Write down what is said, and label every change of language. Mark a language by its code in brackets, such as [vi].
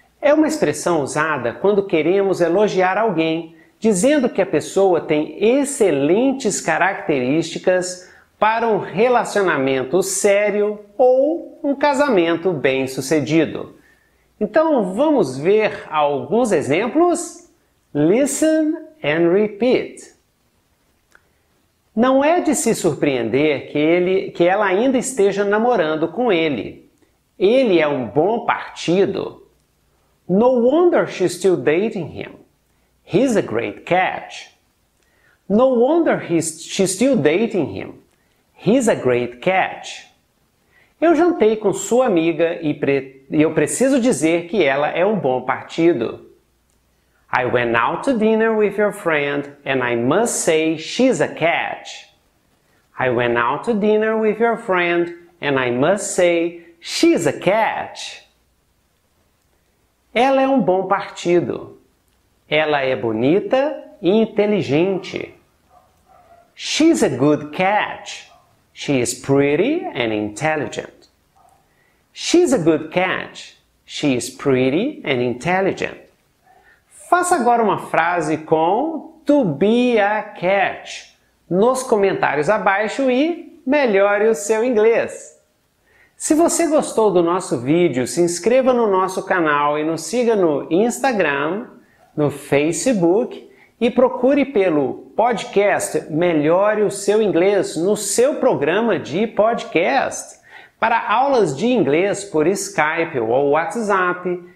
[pt] É uma expressão usada quando queremos elogiar alguém, dizendo que a pessoa tem excelentes características para um relacionamento sério ou um casamento bem-sucedido. Então vamos ver alguns exemplos? [en] Listen and repeat. [pt] Não é de se surpreender que ela ainda esteja namorando com ele. Ele é um bom partido. [en] No wonder she's still dating him. He's a great catch. No wonder she's still dating him. He's a great catch. [pt] Eu jantei com sua amiga e eu preciso dizer que ela é um bom partido. [en] I went out to dinner with your friend, and I must say she's a catch. I went out to dinner with your friend, and I must say she's a catch. [pt] Ela é um bom partido. Ela é bonita e inteligente. [en] She's a good catch. She is pretty and intelligent. She's a good catch. She is pretty and intelligent. [pt] Faça agora uma frase com to be a catch nos comentários abaixo e melhore o seu inglês. Se você gostou do nosso vídeo, se inscreva no nosso canal e nos siga no Instagram, no Facebook e procure pelo podcast Melhore o Seu Inglês no seu programa de podcast para aulas de inglês por Skype ou WhatsApp.